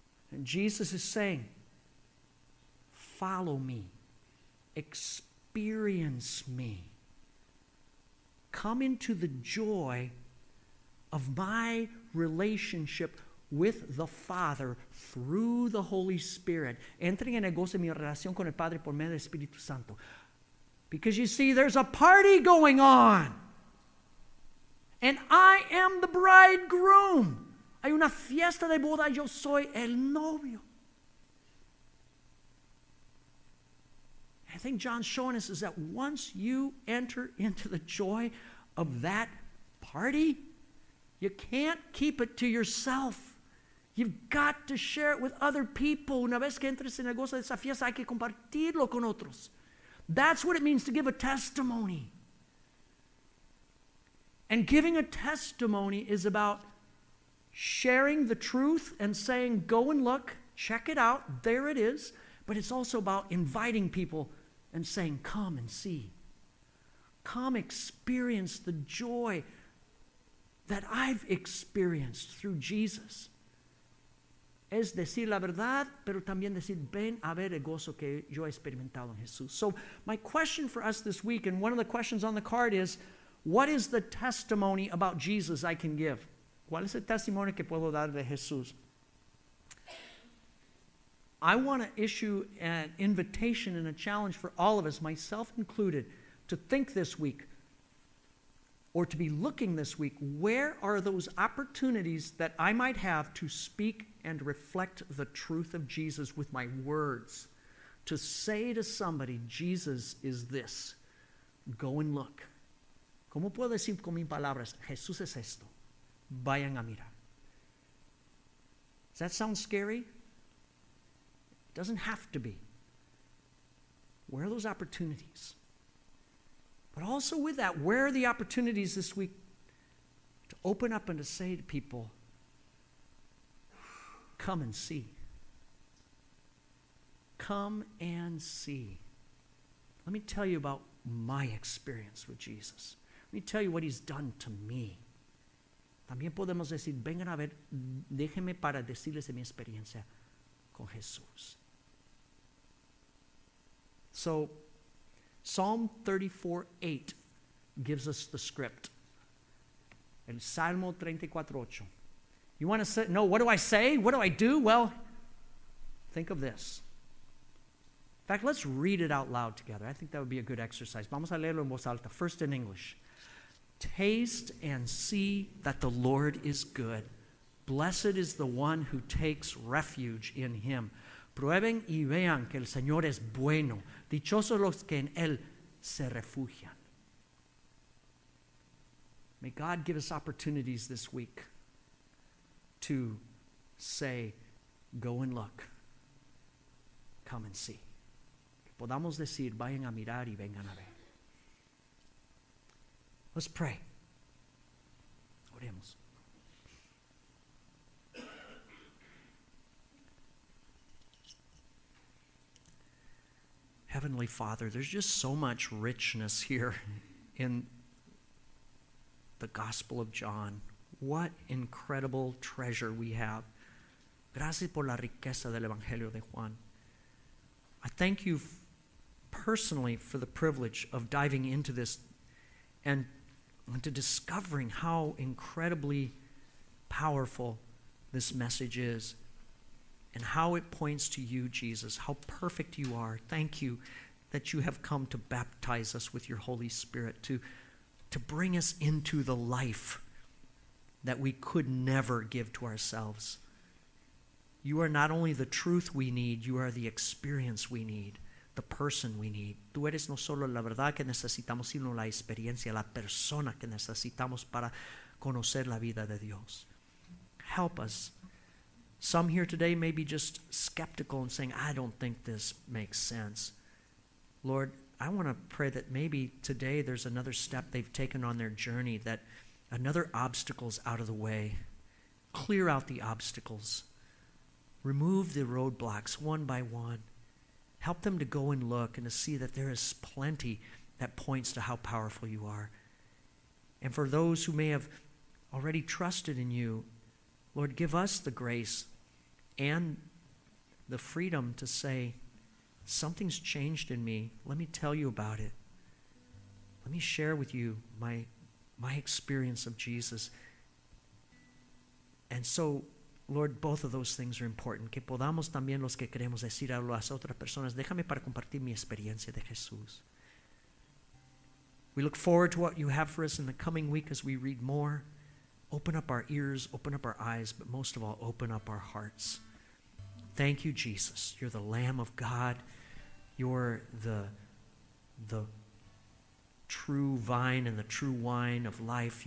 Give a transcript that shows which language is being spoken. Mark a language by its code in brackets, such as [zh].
[en] And Jesus is saying, follow me. Experience me. Come into the joy of my relationship with the Father through the Holy Spirit. [es] Entren en el gozo de mi relación con el Padre por medio del Espíritu Santo. [en] Because you see, there's a party going on. And I am the bridegroom. [es] Hay una fiesta de boda. Yo soy el novio. [en] I think John's showing us is that once you enter into the joy of that party, you can't keep it to yourself. You've got to share it with other people. [es] Una vez que entres en el gozo de esa fiesta, hay que compartirlo con otros. [en] That's what it means to give a testimony. And giving a testimony is about sharing the truth and saying, go and look, check it out, there it is. But it's also about inviting people and saying, come and see. Come experience the joy that I've experienced through Jesus. [es] Es decir la verdad, pero también decir, ven a ver el gozo que yo he experimentado en Jesús. [en] So my question for us this week, and one of the questions on the card is, what is the testimony about Jesus I can give? [es] ¿Cuál es el testimonio que puedo dar de Jesús? [en] I want to issue an invitation and a challenge for all of us, myself included, to think this week, or to be looking this week, where are those opportunities that I might have to speak and reflect the truth of Jesus with my words? To say to somebody, Jesus is this. Go and look. [es] ¿Cómo puedo decir con mis palabras? Jesús es esto. Vayan a mirar. [en] Does that sound scary? It doesn't have to be. Where are those opportunities? But also with that, where are the opportunities this week to open up and to say to people, come and see. Come and see. Let me tell you about my experience with Jesus. Let me tell you what he's done to me. [es] También podemos decir, vengan a ver, déjenme para decirles de mi experiencia con Jesús. [en] So, Psalm 34:8 gives us the script. [es] El Salmo 34:8. [en] You want to say, no, what do I say? What do I do? Well, think of this. In fact, let's read it out loud together. I think that would be a good exercise. [es] Vamos a leerlo en voz alta, [en] first in English. Taste and see that the Lord is good. Blessed is the one who takes refuge in him. [es] Prueben y vean que el Señor es bueno. Dichosos los que en él se refugian. [en] May God give us opportunities this week to say, go and look. Come and see. [es] Que podamos decir, vayan a mirar y vengan a ver. [en] Let's pray. [es] Oremos. [en] Heavenly Father, there's just so much richness here in the Gospel of John. What incredible treasure we have. [es] Gracias por la riqueza del Evangelio de Juan. [en] I thank you personally for the privilege of diving into this and into discovering how incredibly powerful this message is. And how it points to you, Jesus, how perfect you are. Thank you that you have come to baptize us with your Holy Spirit, to bring us into the life that we could never give to ourselves. You are not only the truth we need, you are the experience we need, the person we need. [es] Tú eres no solo la verdad que necesitamos, sino la experiencia, la persona que necesitamos para conocer la vida de Dios. [en] Help us. Some here today may be just skeptical and saying, I don't think this makes sense. Lord, I want to pray that maybe today there's another step they've taken on their journey, that another obstacle's out of the way. Clear out the obstacles. Remove the roadblocks one by one. Help them to go and look and to see that there is plenty that points to how powerful you are. And for those who may have already trusted in you, Lord, give us the grace and the freedom to say, something's changed in me. Let me tell you about it. Let me share with you my experience of Jesus. And so, Lord, both of those things are important. [es] Que podamos también los que queremos decir a las otras personas, déjame para compartir mi experiencia de Jesús. [en] We look forward to what you have for us in the coming week as we read more. Open up our ears, open up our eyes, but most of all, open up our hearts. Thank you, Jesus. You're the Lamb of God. You're the the true vine and the true wine of life.